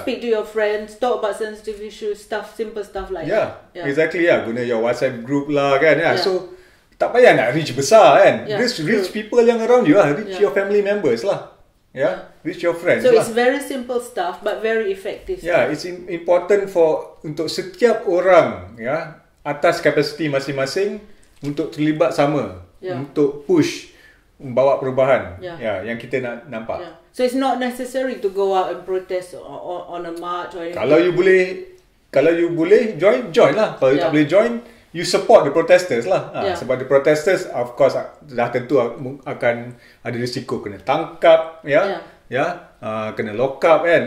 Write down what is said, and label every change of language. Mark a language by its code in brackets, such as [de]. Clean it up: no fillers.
[en] Speak to your friends, talk about sensitive issues, stuff, simple stuff like yeah. that. Yeah, exactly. Yeah, [ms] guna [en] your WhatsApp group [ms] lah kan. [en] Yeah. So, [ms] tak payah nak [en] reach [ms] besar kan. [en] Yeah, reach true. People [ms] yang [en] around you lah. Reach yeah. your family members lah. Yeah, reach your friends so [ms] lah. [en] So, it's very simple stuff but very effective. Yeah, stuff. It's important for [ms] untuk setiap orang ya atas kapasiti masing-masing untuk terlibat sama. [en] Yeah. [ms] Untuk push. Membawa perubahan [en] yeah. [ms] Yeah, yang kita nak nampak. [en] Yeah. So it's not necessary to go out and protest on a march or anything. [ms] Kalau you boleh, kalau you boleh join, join lah. Kalau you tak boleh join, [en] you support the protesters [ms] lah. [en] Yeah. Ha, [ms] sebab [en] the protesters, of course, [ms] dah tentu akan ada risiko kena tangkap, ya, kena [en] lock up, [ms] kan?